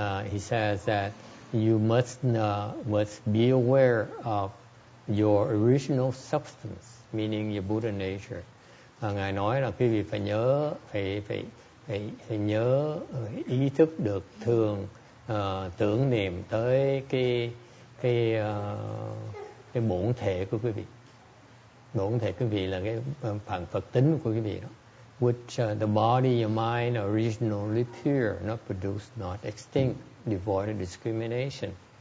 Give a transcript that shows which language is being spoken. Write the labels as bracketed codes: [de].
[en] He says that you must be aware of your original substance, meaning your Buddha nature. [vi] Ngài nói là quý vị phải nhớ ý thức được thường tưởng niệm tới cái bổn thể của quý vị. Bổn thể quý vị là cái phần Phật tính của quý vị đó. [en] Which the body, your mind, originally pure, not produced, not extinct, devoid of discrimination.